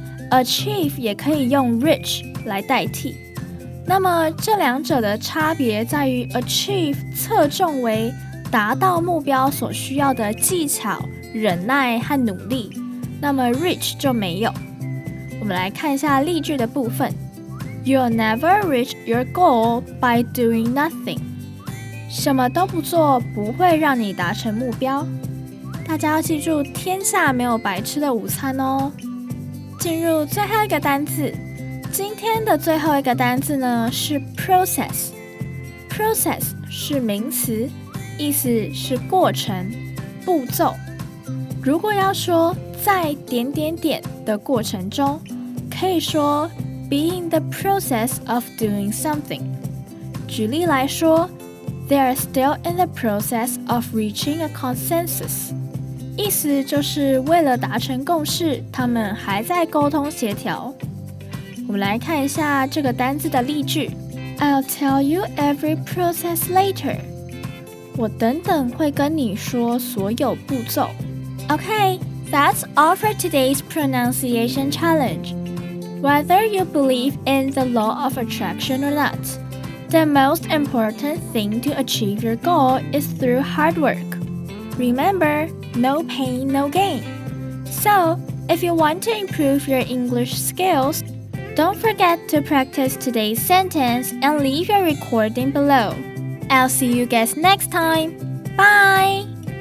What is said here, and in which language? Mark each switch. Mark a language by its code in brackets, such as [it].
[zh] achieve 也可以用 reach 来代替。那么这两者的差别在于 achieve 侧重为达到目标所需要的技巧、忍耐和努力，那么 reach 就没有。我们来看一下例句的部分。 [en] You'll never reach your goal by doing nothing。 [zh] 什么都不做不会让你达成目标。大家要记住，天下没有白吃的午餐哦。进入最后一个单字，今天的最后一个单字呢是 process。 process 是名词，意思是过程、步骤。如果要说在点点点的过程中，可以说 [en] be in the process of doing something。 [zh] 举例来说， [en] They are still in the process of reaching a consensus. [zh] 意思就是为了达成共识，他们还在沟通协调。我们来看一下这个单字的例句。 [en] I'll tell you every process later. [zh] 我等等会跟你说所有步骤。 [en] Okay, that's all for today's pronunciation challenge. Whether you believe in the law of attraction or not, The most important thing to achieve your goal is through hard work. Remember, no pain, no gain. So, if you want to improve your English skills, don't forget to practice today's sentence and leave your recording below. I'll see you guys next time. Bye!